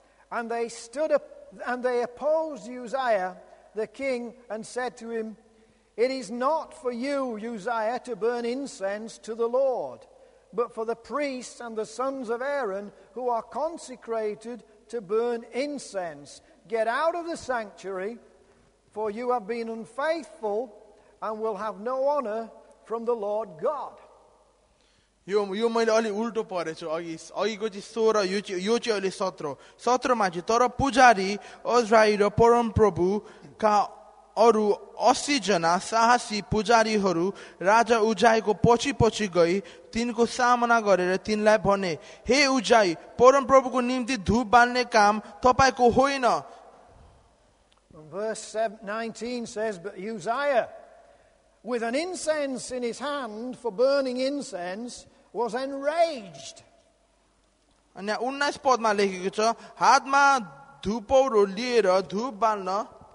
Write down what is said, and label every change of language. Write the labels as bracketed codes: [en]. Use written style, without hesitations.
[en] And they stood up, and they opposed Uzziah, the king, and said to him, It is not for you, Uzziah, to burn incense to the Lord, but for the priests and the sons of Aaron, who are consecrated to burn incense. Get out of the sanctuary, For you have been unfaithful and will have no honor from the Lord God. [ne] यो मैले अलि उल्टो परेछु अघि अघिको चाहिँ 16 यो चाहिँ अहिले 17 17मा चाहिँ तर पुजारी अज्राई र परमप्रभुका अरू 80 जना साहसी पुजारीहरू राजा उज्जाइको पछि गई तिनको सामना गरेर तिनलाई भने हे उज्जाइ परमप्रभुको निम्ति धूप बाल्ने काम तपाईँको होइन [en] Verse 19 says, But Uzziah, with an incense in his hand for burning incense, was enraged. And now, [ne] 19 pod ma lekheko cha, hatma dhuporo liera dhup balna.